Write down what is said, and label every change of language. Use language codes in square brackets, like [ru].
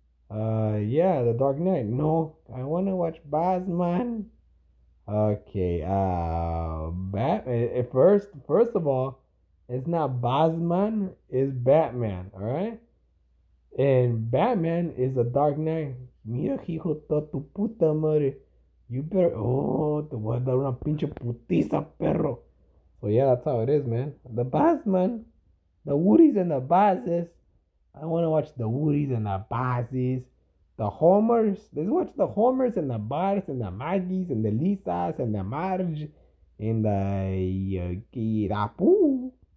[en] Yeah, the Dark Knight. No, I wanna watch Batman. Okay, Batman. First of all, it's not Batman, it's Batman, alright? And Batman is a Dark Knight. [es] Mira, hijo, toda tu puta madre. [en] You better. [es] Oh, te voy a dar una pinche putiza, perro. [en] But well, yeah, that's how it is, man. The Batman, the Woody's and the Buzzes. I want to watch the Woody's and the Buzzes. The Homers. Let's watch the Homers and the Bars and the Maggies and the Lisas and the Marge and the Kirapu.